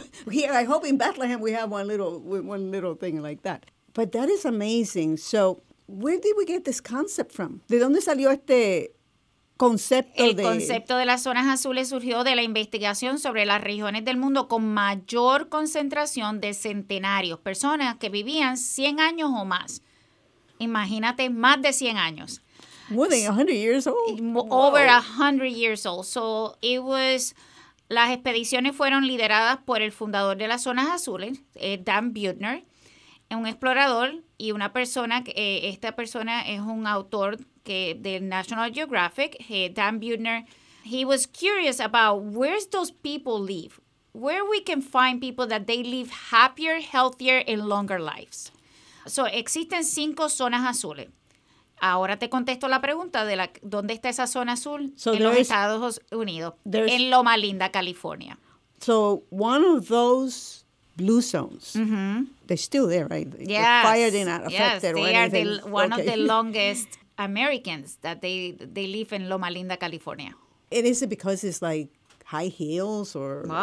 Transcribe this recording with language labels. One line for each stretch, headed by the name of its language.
English: Here, I hope in Bethlehem we have one little thing like that. But that is amazing. So where did we get this concept from?
Spanish: ¿De dónde salió este concepto? El concepto de las zonas azules surgió de la investigación sobre las regiones del mundo con mayor concentración de centenarios, personas que vivían 100 años o más. Imagínate, más de 100 años.
English: More than 100 years old. Over 100 years old. So it was,
Spanish: las expediciones fueron lideradas por el fundador de las zonas azules, Dan Buettner, un explorador y una persona, esta persona es un autor del National Geographic, Dan Buettner.
English: He was curious about where those people live, where we can find people that they live happier, healthier, and longer lives.
Spanish: So, existen 5 zonas azules. Ahora te contesto la pregunta de dónde está esa zona azul en los Estados Unidos, en Loma Linda, California.
English: So, one of those blue zones, they're still there, right? Yes. The fire did not affect them. Yes, they are one of the longest Americans that they live in Loma Linda, California. And is it because it's like high heels or?